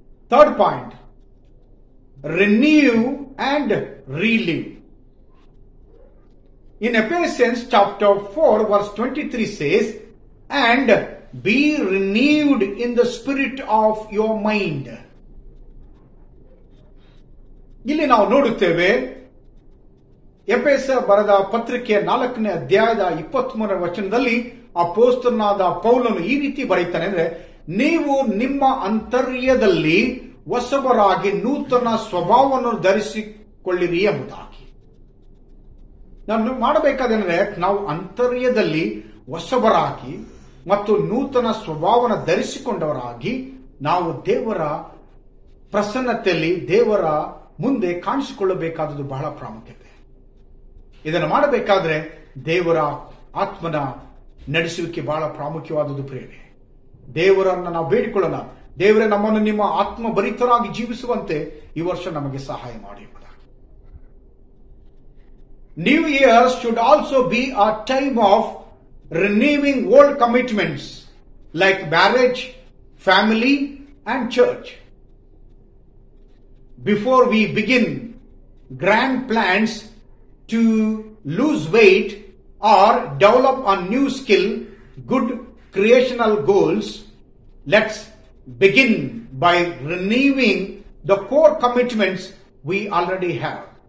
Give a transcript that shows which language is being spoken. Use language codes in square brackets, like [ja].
[en] Third point, renew and relive. In Ephesians chapter 4 verse 23 says, "And be renewed in the spirit of your mind." [kn] ಇಲ್ಲಿ ನಾವು ನೋಡುತ್ತೇವೆ ಎಫೆಸ ಬರೆದ ಪತ್ರಿಕೆಯ 4ನೇ ಅಧ್ಯಾಯದ 23ನೇ ವಚನದಲ್ಲಿ ಅಪೊಸ್ತಲನಾದ ಪೌಲನು ಈ ರೀತಿ ಬರೆಯುತ್ತಾನೆ ಅಂದ್ರೆ, ನೀವು ನಿಮ್ಮ ಅಂತರ್ಯದಲ್ಲಿ ಹೊಸವರಾಗಿ ನೂತನ ಸ್ವಭಾವವನ್ನು ಧರಿಸಿಕೊಳ್ಳಿರಿ ಎಂಬುದಾಗಿ. ನಾನು ಮಾಡಬೇಕಾದ್ರೆ ನಾವು ಅಂತರ್ಯದಲ್ಲಿ ಹೊಸವರಾಗಿ ಮತ್ತು ನೂತನ ಸ್ವಭಾವವನ್ನು ಧರಿಸಿಕೊಂಡವರಾಗಿ ನಾವು ದೇವರ ಪ್ರಸನ್ನತೆಯಲ್ಲಿ ದೇವರ ಮುಂದೆ ಕಾಣಿಸಿಕೊಳ್ಳಬೇಕಾದದ್ದು ಬಹಳ ಪ್ರಾಮುಖ್ಯತೆ. ಇದನ್ನು ಮಾಡಬೇಕಾದ್ರೆ ದೇವರ ಆತ್ಮನ ನಡೆಸುವಿಕೆ ಬಹಳ ಪ್ರಾಮುಖ್ಯವಾದದ್ದು. ಪ್ರೇರಣೆ ದೇವರನ್ನ ನಾವು ಬೇಡಿಕೊಳ್ಳೋಣ, ದೇವರೇ ನಮ್ಮನ್ನು ನಿಮ್ಮ ಆತ್ಮ ಭರಿತರಾಗಿ ಜೀವಿಸುವಂತೆ ಈ ವರ್ಷ ನಮಗೆ ಸಹಾಯ ಮಾಡಿ ಎಂಬುದಾಗಿ. [en] New year should also be a time of renewing old commitments like marriage, family and church. Before we begin grand plans to lose weight or develop a new skill, good creational goals, let's begin by renewing the core commitments we already have.